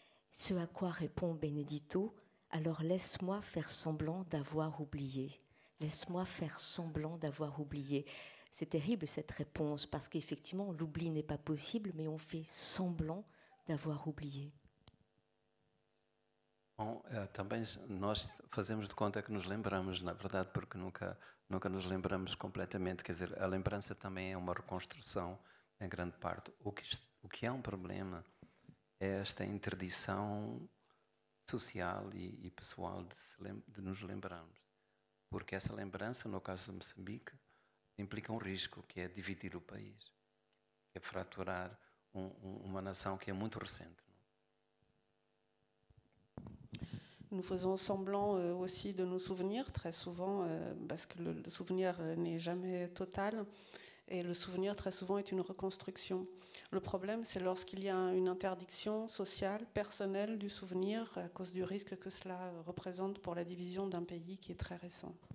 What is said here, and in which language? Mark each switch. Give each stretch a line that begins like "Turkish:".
French: Ce à quoi répond Benedito, alors laisse-moi faire semblant d'avoir oublié. Laisse-moi faire semblant d'avoir oublié. C'est terrible cette réponse, parce qu'effectivement, l'oubli n'est pas possible, mais on fait semblant d'avoir oublié.
Portuguese: Bon, também nós fazemos de conta que nos lembramos, na verdade, porque nunca nos lembramos completamente. Quer dizer, a lembrança também é uma reconstrução em grande parte. O que é um problema é esta interdição social e pessoal de nos lembrarmos. Porque essa lembrança, no caso de Moçambique, implica um risco, que é dividir o país, que é fraturar uma nação que é muito recente.
French: Nous faisons semblant aussi de nous souvenir très souvent, parce que le souvenir n'est jamais total, et le souvenir très souvent est une reconstruction. Le problème, c'est lorsqu'il y a une interdiction sociale, personnelle du souvenir, à cause du risque que cela représente pour la division d'un pays qui est très récent.